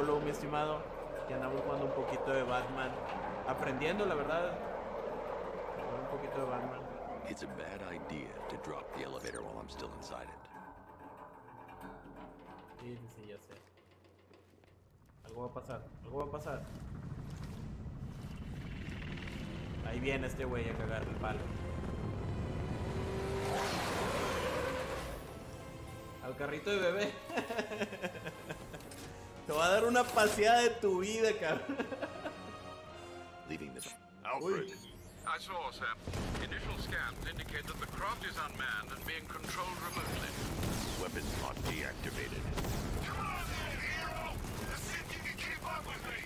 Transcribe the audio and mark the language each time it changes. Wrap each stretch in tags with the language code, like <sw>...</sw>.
<es>estimado, que andamos jugando un poquito de Batman, aprendiendo, la verdad, un poquito de Batman.</es> <en>It's a bad idea to drop the elevator while I'm still inside it.</en> <es>Sí, ya sé. Algo va a pasar, algo va a pasar. Ahí viene este güey a cagar el palo. Al carrito de bebé. Te va a dar una paseada de tu vida, cabrón.</es> <en>Alfred, I saw, sir. Initial scans indicate that the craft is unmanned and being controlled remotely. Weapons not deactivated. Come on, there, hero! Let's see if you can keep up with me!</en>